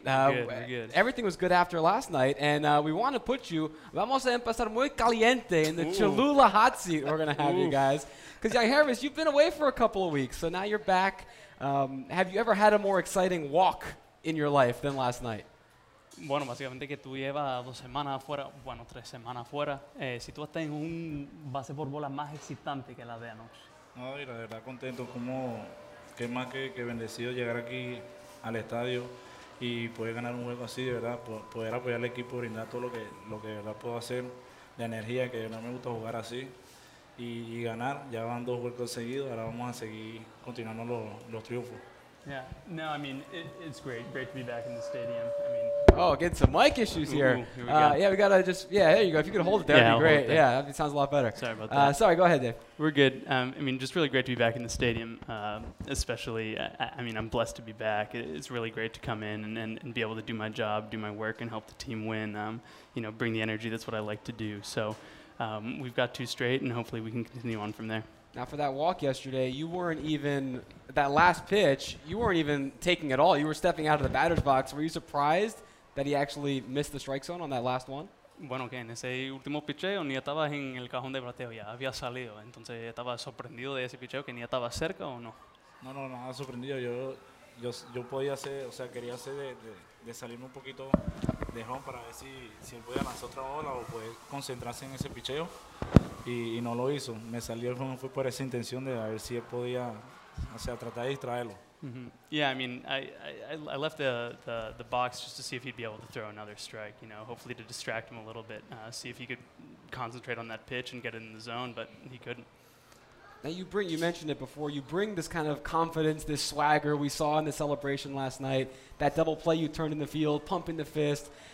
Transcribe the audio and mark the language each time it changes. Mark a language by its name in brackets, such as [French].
[English] We're good. Everything was good after last night, and we want to put you, [Spanish] vamos a empezar muy caliente [English] in the Cholula hot seat we're going to have you guys. Because, Yangervis, you've been away for a couple of weeks, so now you're back. Have you ever had a more exciting walk in your life than last night? [Spanish] Bueno, básicamente que tú llevas dos semanas afuera, bueno, tres semanas afuera. Si tú estás en un base por bola más excitante que la de anoche. No, y la verdad contento, como que más que bendecido llegar aquí al estadio y poder ganar un juego así, de verdad, poder apoyar al equipo, brindar todo lo que de verdad puedo hacer, de energía, que de verdad me gusta jugar así y ganar. Ya van dos juegos seguidos, ahora vamos a seguir continuando los triunfos. [English] Yeah, no, I mean, it's great. Great to be back in the stadium. I mean, oh, getting some mic issues here. There you go. If you could hold it, that would be great. Yeah, it sounds a lot better. Sorry about that. Sorry, go ahead, Dave. We're good. I mean, just really great to be back in the stadium, especially, I mean, I'm blessed to be back. It's really great to come in and be able to do my job, do my work, and help the team win, you know, bring the energy. That's what I like to do. So we've got two straight, and hopefully we can continue on from there. Now, for that walk yesterday, you weren't even – that last pitch, you weren't even taking at all. You were stepping out of the batter's box. Were you surprised that he actually missed the strike zone on that last one? [Spanish] Bueno, que en ese último picheo ni estaba en el cajón de bateo, ya había salido. Entonces estaba sorprendido de ese picheo que ni estaba cerca o no. No, nada sorprendido. Yo podía hacer, o sea, quería hacer de salirme un poquito de home para ver si él podía lanzar otra bola o poder concentrarse en ese picheo. Y no lo hizo. Me salió el home fue por esa intención de a ver si él podía, o sea, tratar de distraerlo. Mm-hmm. [English] Yeah, I mean, I left the box just to see if he'd be able to throw another strike, you know, hopefully to distract him a little bit, see if he could concentrate on that pitch and get in the zone, but he couldn't. Now you mentioned it before, you bring this kind of confidence, this swagger we saw in the celebration last night, that double play you turned in the field, pumping the fist.